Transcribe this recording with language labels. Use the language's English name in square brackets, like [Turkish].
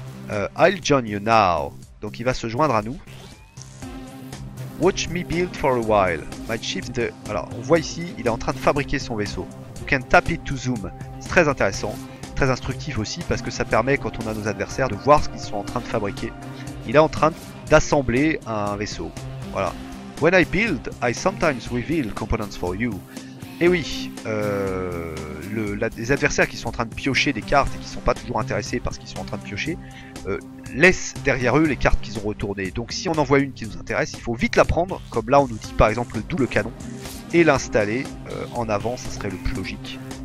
[English] I'll join you now. [French] Donc il va se joindre à nous. [English] Watch me build for a while. My ship. [French] Alors, on voit ici, il est en train de fabriquer son vaisseau. [English] You can tap it to zoom. [French] C'est très intéressant, très instructif aussi, parce que ça permet, quand on a nos adversaires, de voir ce qu'ils sont en train de fabriquer. Il est en train d'assembler un vaisseau. Voilà. [English] When I build, I sometimes reveal components for you. [French] Eh oui, les adversaires qui sont en train de piocher des cartes et qui ne sont pas toujours intéressés parce qu'ils sont en train de piocher, laissent derrière eux les cartes qu'ils ont retournées. Donc si on en voit une qui nous intéresse, il faut vite la prendre, comme là on nous dit par exemple d'où le canon, et l'installer en avant, ça serait le plus logique.